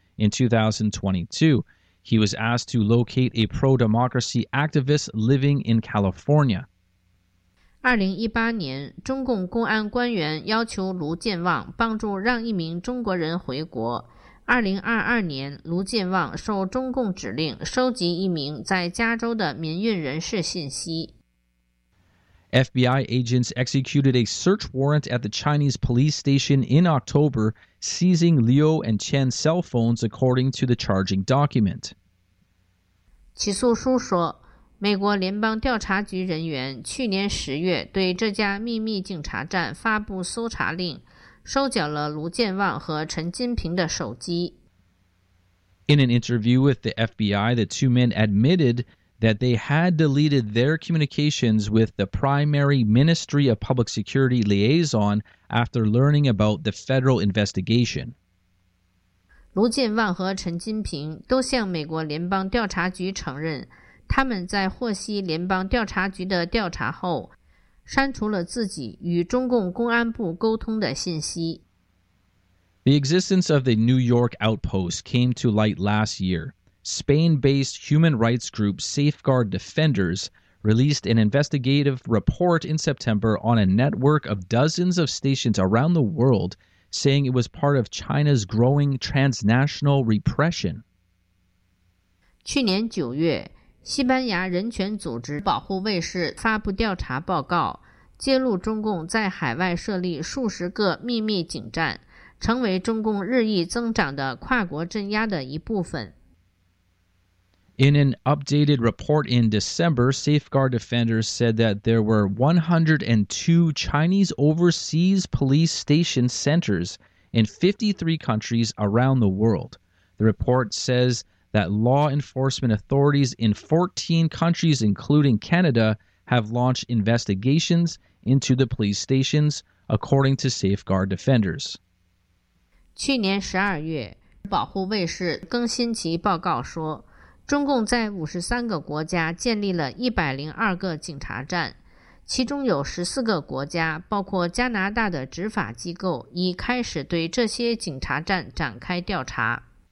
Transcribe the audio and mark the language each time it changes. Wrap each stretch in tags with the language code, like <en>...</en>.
<en>In 2022, he was asked to locate a pro-democracy activist living in California.</en> <zh>2018年，中共公安官员要求卢建旺帮助让一名中国人回国。 2022年，卢建旺受中共指令收集一名在加州的民运人士信息。</zh> <en>FBI agents executed a search warrant at the Chinese police station in October, seizing Liu and Chen's cell phones according to the charging document.</en> <zh>起诉书说，美国联邦调查局人员去年十月对这家秘密警察站发布搜查令，收缴了卢建旺和陈金平的手机。</zh> <en>In an interview with the FBI, the two men admitted that they had deleted their communications with the primary Ministry of Public Security liaison after learning about the federal investigation.</en> <zh>卢建旺和陈金平都向美国联邦调查局承认，他们在获悉联邦调查局的调查后，删除了自己与中共公安部沟通的信息。</zh> <en>The existence of the New York outpost came to light last year. Spain-based human rights group Safeguard Defenders released an investigative report in September on a network of dozens of stations around the world, saying it was part of China's growing transnational repression.</en> <zh>去年九月，西班牙人权组织保护卫士发布调查报告，揭露中共在海外设立数十个秘密警站，成为中共日益增长的跨国镇压的一部分。</zh> <en>In an updated report in December, Safeguard Defenders said that there were 102 Chinese overseas police station centers in 53 countries around the world. The report says that law enforcement authorities in 14 countries, including Canada, have launched investigations into the police stations, according to Safeguard Defenders.</en> <zh>去年12月，保护卫士更新其报告说，中共在53个国家建立了102个警察站，其中有14个国家，包括加拿大的执法机构，已开始对这些警察站展开调查。</zh>